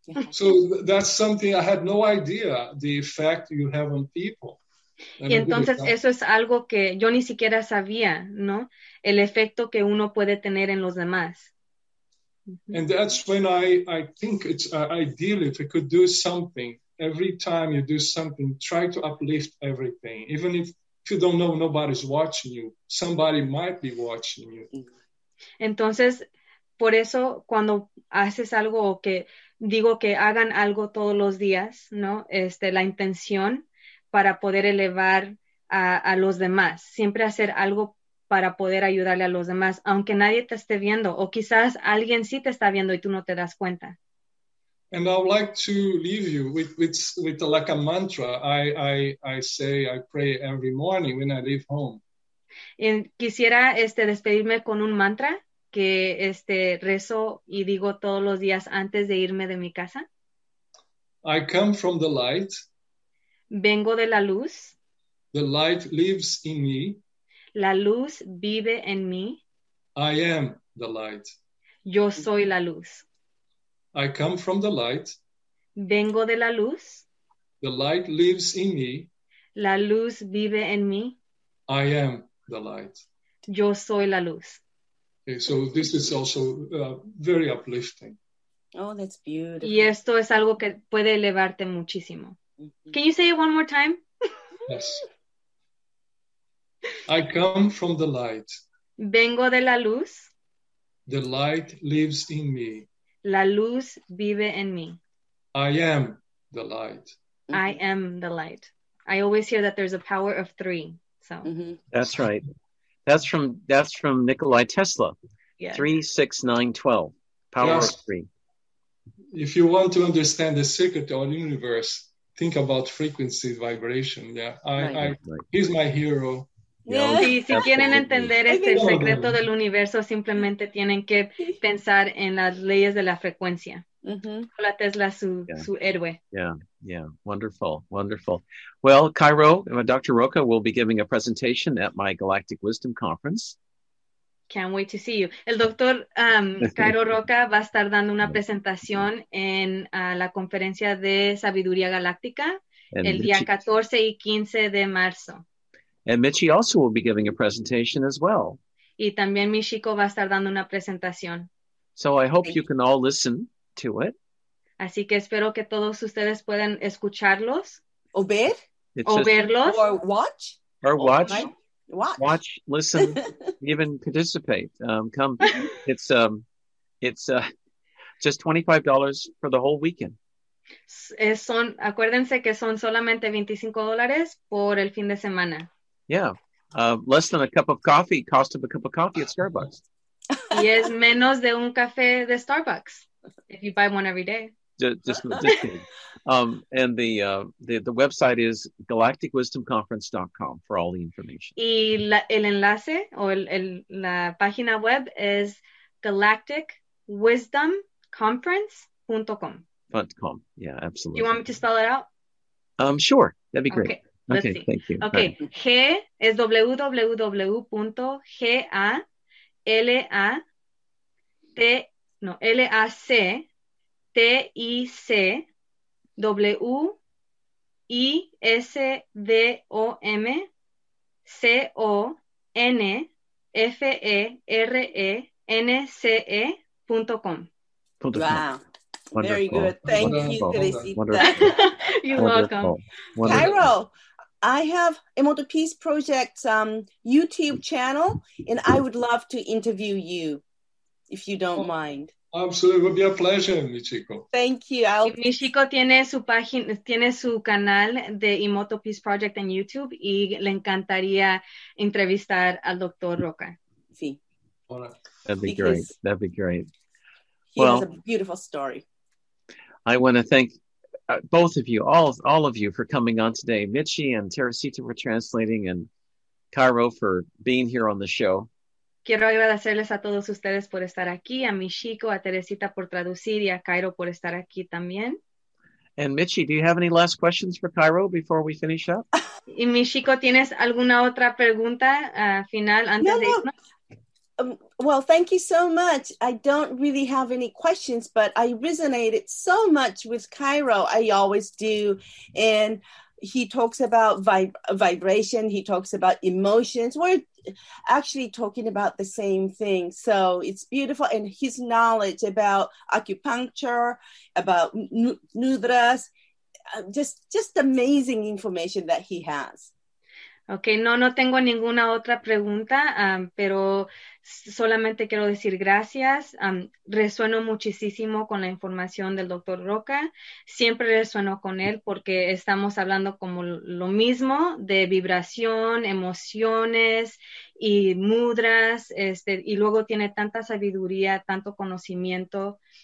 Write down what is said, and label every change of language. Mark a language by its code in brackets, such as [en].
[en] So that's something I had no idea, the effect you have on people. [es] Y entonces eso es algo que yo ni siquiera sabía, ¿no? El efecto que uno puede tener en los demás. [en] And that's when I think it's ideal if we could do something. Every time you do something, try to uplift everything. Even if you don't know nobody's watching you, somebody might be watching you. [es] Entonces, por eso cuando haces algo o que digo que hagan algo todos los días, ¿no? La intención para poder elevar a los demás. Siempre hacer algo para poder ayudarle a los demás, aunque nadie te esté viendo, o quizás alguien sí te está viendo y tú no te das cuenta. [en] And I would like to leave you with like a mantra I pray every morning when I leave home. [es] Y quisiera despedirme con un mantra que rezo y digo todos los días antes de irme de mi casa. [en] I come from the light. [es] Vengo de la luz. [en] The light lives in me. [es] La luz vive en mí. [en] I am the light. [es] Yo soy la luz. [en] I come from the light. [es] Vengo de la luz. [en] The light lives in me. [es] La luz vive en mí. [en] I am the light. [es] Yo soy la luz. [en] Okay, so this is also very uplifting. Oh, that's beautiful. [es] Y esto es algo que puede elevarte muchísimo. Mm-hmm. [en] Can you say it one more time? Yes. I come from the light. [es] Vengo de la luz. [en] The light lives in me. [es] La luz vive en mí. [en] I am the light. I am the light. I always hear that there's a power of three. So mm-hmm. That's right. That's from Nikolai Tesla. Yeah. 3, 6, 9, 12. Power of three. If you want to understand the secret of the universe, think about frequency vibration. Yeah. He's my hero. Yeah. [es] Y si [en] absolutely. [es] Quieren entender el secreto del universo, simplemente tienen que pensar en las leyes de la frecuencia. Mm-hmm. Hola Tesla, su héroe. [en] Yeah, wonderful, wonderful. Well, Cairo, Dr. Roca will be giving a presentation at my Galactic Wisdom Conference. Can't wait to see you. [es] El doctor Cairo Roca va a estar dando una presentación en la conferencia de Sabiduría Galáctica el día 14 y 15 de marzo. [en] And Michi also will be giving a presentation as well. [es] Y también Michiko va a estar dando una presentación. [en] So I hope you can all listen to it. [es] Así que espero que todos ustedes puedan escucharlos. O ver. O verlos. [en] Or watch. Or watch. Watch. Watch, listen, even participate. Come. Just $25 for the whole weekend. [es] Acuérdense que son solamente $25 por el fin de semana. [en] Yeah, less than a cup of coffee, cost of a cup of coffee at Starbucks. [es] Y es menos de un café de Starbucks, [en] if you buy one every day. Just kidding. And the website is galacticwisdomconference.com for all the information. [es] Y el enlace o la página web es galacticwisdomconference.com. [en] .com, yeah, absolutely. Do you want me to spell it out? Sure, that'd be great. Okay. Okay, thank you. [es] Okay, G es www.gaLACTICWISDOMCONFERENCE.com. [en] Wow. Wonderful. Very good. Thank wonderful. You, Teresita. You're welcome. Cairo, I have Emoto Peace Project's YouTube channel, and I would love to interview you, if you don't mind. Absolutely, it would be a pleasure, Michiko. Thank you. [es] Michiko tiene su página, tiene su canal de Emoto Peace Project en YouTube y le encantaría entrevistar al Dr. Roca. Sí. [en] All right. That'd be great. Well, it's a beautiful story. I want to thank both of you, all of you, for coming on today. Michi and Teresita for translating, and Cairo for being here on the show. [es] Quiero agradecerles a todos ustedes por estar aquí, a Michiko, a Teresita por traducir y a Cairo por estar aquí también. [en] And Michi, do you have any last questions for Cairo before we finish up? [es] Y Michiko, ¿tienes alguna otra pregunta final antes de irnos? [en] Well, thank you so much. I don't really have any questions, but I resonated so much with Cairo. I always do. And he talks about vibration. He talks about emotions. We're actually talking about the same thing. So it's beautiful. And his knowledge about acupuncture, about nudras, just amazing information that he has. [es] Okay, no tengo ninguna otra pregunta, pero solamente quiero decir gracias. Resueno muchísimo con la información del Dr. Roca. Siempre resueno con él porque estamos hablando como lo mismo de vibración, emociones y mudras, y luego tiene tanta sabiduría, tanto conocimiento.